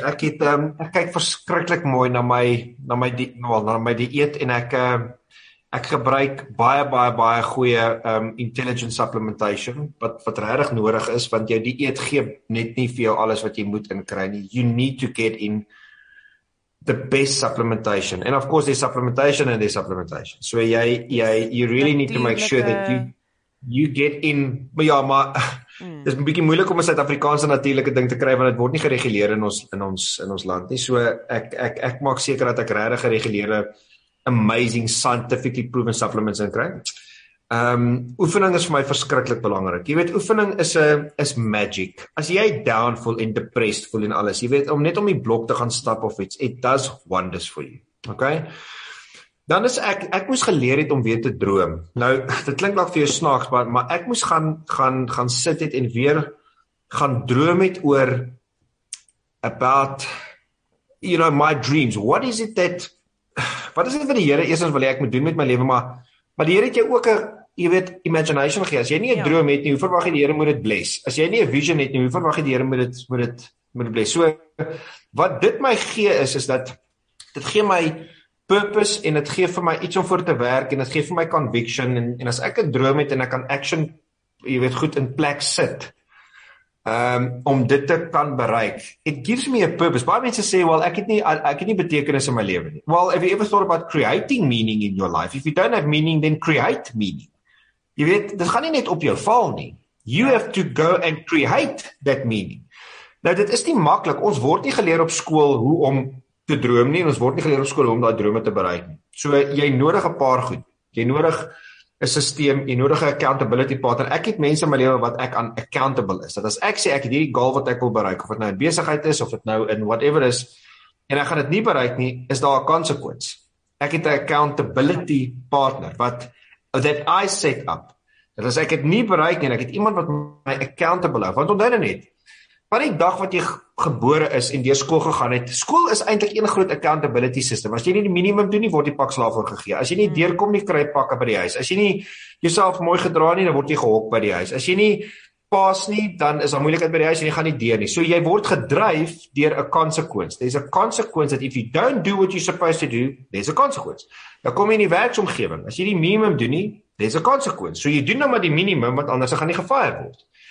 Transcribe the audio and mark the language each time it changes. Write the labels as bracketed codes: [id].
[af] Ek het ek kyk verskriklik mooi na my dieet, en ek gebruik baie goeie intelligence supplementation wat regtig nodig is, want jou dieet gee net nie vir jou alles wat jy moet inkry nie. [en] You need to get in the best supplementation. And of course, there's supplementation and there's supplementation. So you really need to make sure that you get in. [af] Dit is 'n bietjie moeilik om 'n Suid-Afrikaanse natuurlike ding te kry, want dit word nie gereguleer in ons land nie. So ek maak seker dat ek regtig gereguleerde [en] amazing scientifically proven supplements [af] in kry. Oefening is vir my verskriklik belangrik. Jy weet, oefening is magic. As jy down voel en depressed voel en alles, jy weet, om net om die blok te gaan stap of iets, [en] it does wonders for you. Okay? [af] Dan is ek moes geleer het om weer te droom. Nou, dit klink dalk vir jou snaaks, maar ek moes gaan sit het en weer gaan droom het oor [en] about, you know, my dreams. What is it that [af] Wat is dit wat die Here eers ons wil hê ek moet doen met my lewe, maar die Here het jou ook 'n, jy weet, imagination gee. As jy nie 'n droom het nie, hoe verwag jy die Here moet dit bless? As jy nie 'n vision het nie, hoe verwag jy die Here moet dit bless? So wat dit my gee is dat dit gee my purpose en dit gee vir my iets om voor te werk en dit gee vir my conviction en as ek 'n droom het en ek kan action, jy weet, goed in plek sit. Om dit te kan bereik. [en] It gives me a purpose. [af] Baie mense sê, well, ek het nie betekenis in my lewe nie. [en] Well, if you ever thought about creating meaning in your life, if you don't have meaning, then create meaning. [af] Jy weet, dit gaan nie net op jou val nie. [en] You have to go and create that meaning. [af] Nou, dit is nie maklik. Ons word nie geleer op skool hoe om te droom nie, en ons word nie geleer op skool hoe om daai drome te bereik nie. So, jy nodig 'n paar goed. Jy nodig 'n sisteem, jy nodig 'n accountability partner. Ek het mense in my lewe wat ek aan accountable is. Dat as ek sê ek het hierdie goal wat ek wil bereik, of dit nou 'n besigheid is of dit nou in whatever is, en ek gaan dit nie bereik nie, is daar 'n consequence. Ek het 'n accountability partner wat [en] that I set up. [af] Dat as ek dit nie bereik nie, ek het iemand wat my accountable hou. Want onthou dit net. Van die dag wat jy gebore is en deur skool gegaan het, skool is eintlik een groot accountability system. As jy nie die minimum doen nie, word jy pak slaaf oorgegee. As jy nie deurkom nie, kry jy pakke by die huis. As jy nie jouself mooi gedra nie, dan word jy gehok by die huis. As jy nie pas nie, dan is daar moeilikheid by die huis en jy gaan nie deur nie. So jy word gedryf deur 'n consequence. [en] There's a consequence that if you don't do what you're supposed to do, there's a consequence. [af] Dan kom jy in die werksomgewing. As jy die minimum doen nie, [en] there's a consequence. [af] So jy doen nou maar die minimum, want anders gaan jy gefire word.